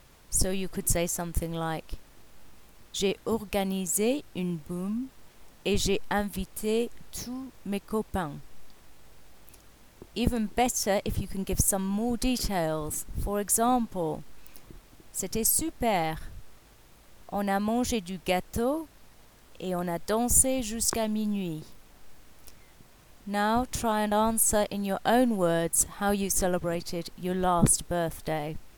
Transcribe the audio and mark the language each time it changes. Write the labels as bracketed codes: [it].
[en] So you could say something like, [fr] j'ai organisé une boum et j'ai invité tous mes copains. [en] Even better if you can give some more details. For example, [fr] c'était super. On a mangé du gâteau et on a dansé jusqu'à minuit. [en] Now try and answer in your own words how you celebrated your last birthday.